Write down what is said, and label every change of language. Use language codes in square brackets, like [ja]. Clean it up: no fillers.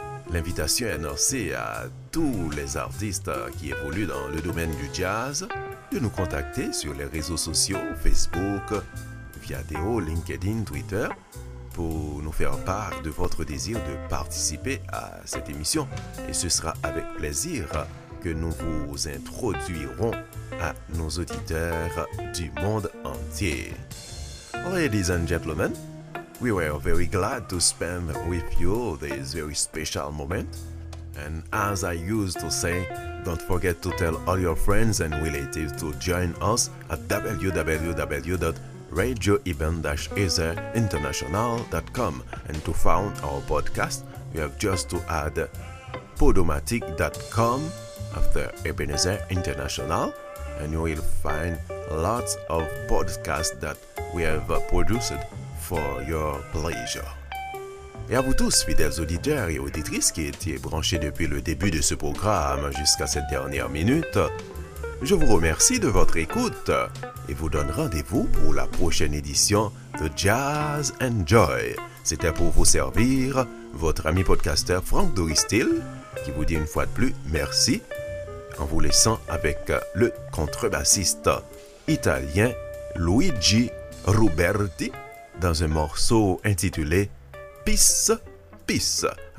[fr] L'invitation est lancée à tous les artistes qui évoluent dans le domaine du jazz de nous contacter sur les réseaux sociaux, Facebook, Viadeo, LinkedIn, Twitter, pour nous faire part de votre désir de participer à cette émission. Et ce sera avec plaisir que nous vous introduirons à nos auditeurs du monde entier. [en] Ladies and gentlemen, we were very glad to spend with you this very special moment. And as I used to say, don't forget to tell all your friends and relatives to join us at www.radioeben-ezerinternational.com and to find our podcast, you have just to add podomatic.com after Ebenezer International, and you will find lots of podcasts that we have produced for your pleasure. [fr] Et à vous tous, fidèles auditeurs et auditrices qui étiez branchés depuis le début de ce programme jusqu'à cette dernière minute, je vous remercie de votre écoute et vous donne rendez-vous pour la prochaine édition de Jazz and Joy. C'était pour vous servir votre ami podcasteur Franck Doristil qui vous dit une fois de plus merci en vous laissant avec le contrebassiste italien Luigi Luberti dans un morceau intitulé « Peace, Peace ».